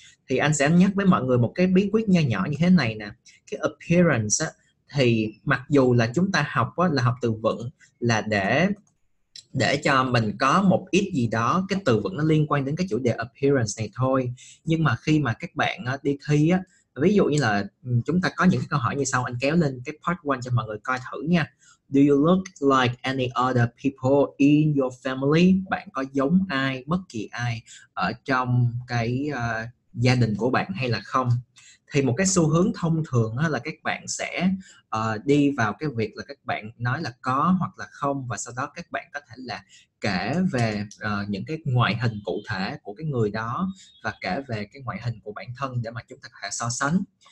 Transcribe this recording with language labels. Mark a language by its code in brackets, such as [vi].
[vi] Thì anh sẽ nhắc với mọi người một cái bí quyết nho nhỏ như thế này nè. Cái appearance á, thì mặc dù là chúng ta học á, là học từ vựng là để cho mình có một ít gì đó, cái từ vựng nó liên quan đến cái chủ đề appearance này thôi, nhưng mà khi mà các bạn đi thi á, ví dụ như là chúng ta có những cái câu hỏi như sau, anh kéo lên cái part 1 cho mọi người coi thử nha. [en] Do you look like any other people in your family? [vi] Bạn có giống ai, bất kỳ ai ở trong cái gia đình của bạn hay là không? Thì một cái xu hướng thông thường á, là các bạn sẽ đi vào cái việc là các bạn nói là có hoặc là không, và sau đó các bạn có thể là kể về những cái ngoại hình cụ thể của cái người đó, và kể về cái ngoại hình của bản thân để mà chúng ta có thể so sánh.